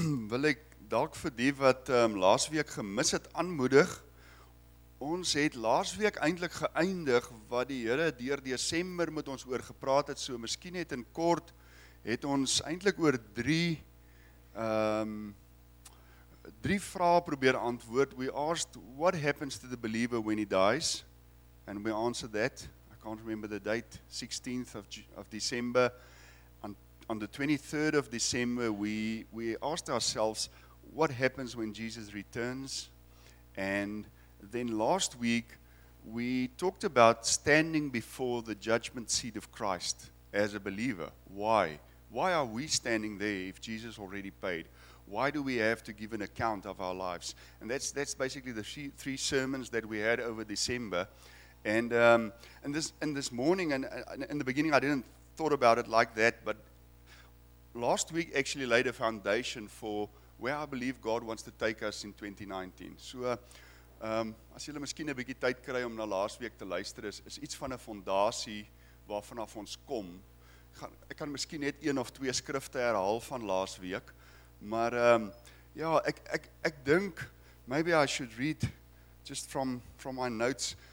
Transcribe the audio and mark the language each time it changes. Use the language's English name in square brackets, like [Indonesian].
[Afrikaans] wil ek dalk vir die wat laasweek gemis het aanmoedig. Ons het laasweek eintlik geëindig wat die Here deur Desember met ons oor gepraat het, so miskien net in kort het ons eintlik oor drie vrae probeer antwoord. [English] We asked what happens to the believer when he dies, and we answered that. I can't remember the date, 16th of December. On the 23rd of December, we asked ourselves, what happens when Jesus returns? And then last week, we talked about standing before the judgment seat of Christ as a believer. Why? Why are we standing there if Jesus already paid? Why do we have to give an account of our lives? And that's basically the three sermons that we had over December. And this morning, in the beginning, I didn't thought about it like that, but last week actually laid a foundation for where I believe God wants to take us in 2019. [Afrikaans] So, as julle miskien 'n bietjie tyd kry om na laasweek te luister, is iets van 'n fondasie waarvan af ons kom. Ek kan miskien net een of twee skrifte herhaal van laasweek, maar ek dink [English] maybe I should read just from my notes.